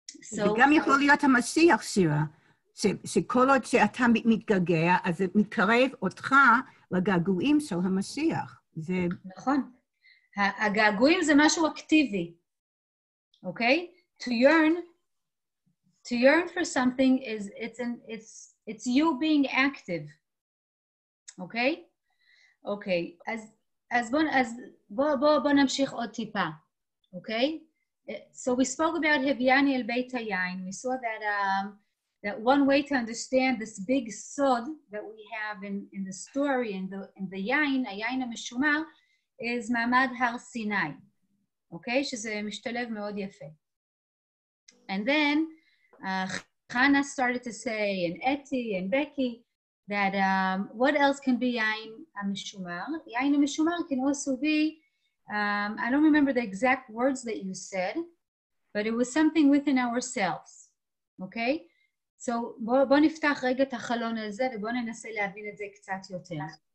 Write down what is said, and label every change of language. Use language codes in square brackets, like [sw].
[he] זה גם יכול להיות המשיח, שירה, שכל עוד שאתה מתגעגע, אז זה מקרב אותך לגעגועים של המשיח. נכון. הגעגועים זה משהו אקטיבי, אוקיי? [en] To yearn for something is it's you being active, [he] אוקיי? אוקיי, אז בוא נמשיך עוד טיפה, אוקיי? [en] So we spoke about [he] הביאני אל בית היין. [en] We saw that that one way to understand this big sod that we have in the story in the yain, [he] היין המשומר, [en] is [he] מעמד הר סיני, [en] אוקיי? [he] שזה משתלב מאוד יפה. [en] And then, Hannah started to say, and Etty and Becky, that what else can be Yain HaMeshumar? Yain HaMeshumar can also be, I don't remember the exact words that you said, but it was something within ourselves, okay? [he] So, בוא נפתח רגע את החלון הזה, ובוא ננסה להבין את זה קצת יותר.